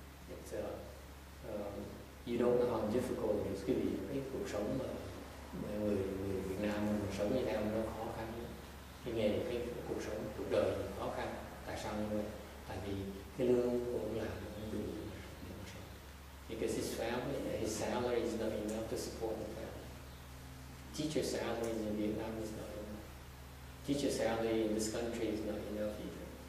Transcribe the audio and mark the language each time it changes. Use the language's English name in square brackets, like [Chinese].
[English] It's you don't know how difficult it is. [Vietnamese] Cái gì cái cuộc sống mà người Việt Nam mà sống Việt Nam nó khó khăn. Cái nghề cái cuộc sống cuộc đời khó khăn. Tại sao người? Tại vì cái lương của ông làm cũng đủ để sống. [English] Because his family, his salary is not enough to support the family. Teacher salary in Vietnam is not. Teacher salary in this country is not enough either.